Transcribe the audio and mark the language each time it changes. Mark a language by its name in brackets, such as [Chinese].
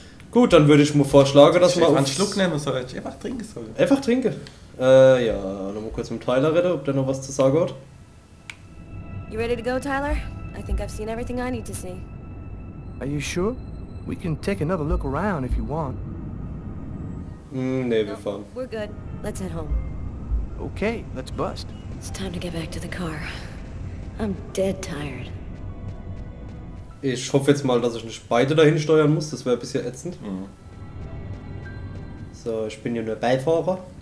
[German] Gut, dann würde ich mir vorschlagen, dass man einen Schluck nehmen soll. Ich einfach trinken soll. Einfach trinken. Ja, noch mal kurz mit Tyler reden, ob der noch was zu sagen hat. [English] You ready to go, Tyler? I think I've seen everything I need to see. Are you sure? We can take another look around if you want. [German] Nee, wir fahren. [English] No, we're good. Let's head home. Okay, let's bust. It's time to get back to the car. I'm dead tired. [German] Ich hoffe jetzt mal, dass ich nicht beide dahin steuern muss. Das wäre ein bisschen ätzend. Mhm. So, ich bin hier nur Beifahrer.